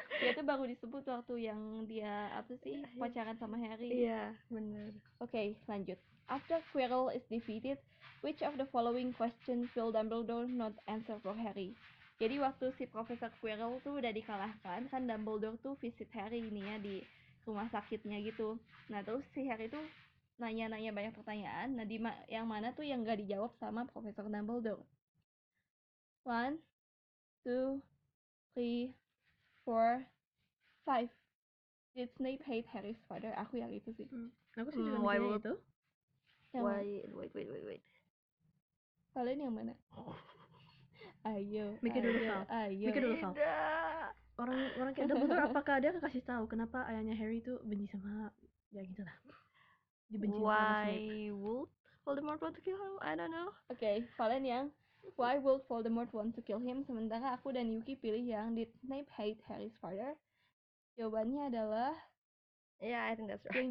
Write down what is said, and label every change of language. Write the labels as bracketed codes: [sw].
[id] Dia tuh baru disebut waktu yang dia apa sih? Pacaran sama Harry. Iya, yeah, benar. Oke, okay, lanjut. [en] After Quirrell is defeated, which of the following questions will Dumbledore not answer for Harry? [id] Jadi waktu si Profesor Quirrell tuh udah dikalahkan, kan Dumbledore tuh visit Harry ini ya di rumah sakitnya gitu. Nah terus si Harry tuh nanya-nanya banyak pertanyaan, nah di yang mana tuh yang gak dijawab sama Profesor Dumbledore? [en] 1, 2, 3, 4, 5. Did Snape hate Harry's father? [id] Aku yang itu sih. Aku sih juga ngerti itu. Wait. Kalian yang mana? Ayo, mikir dulu, Sal. Orang kayak Dumbledore, apakah dia akan kasih tahu kenapa ayahnya Harry itu benci sama, ya gitu lah. Dibenci sama Snape. [en] Why would Voldemort want to kill him? I don't know. Oke, okay, Valen yang, why would Voldemort want to kill him? [id] Sementara aku dan Yuki pilih yang, [en] did Snape hate Harry's father? [id] Jawabannya adalah, [en] yeah, I think that's right.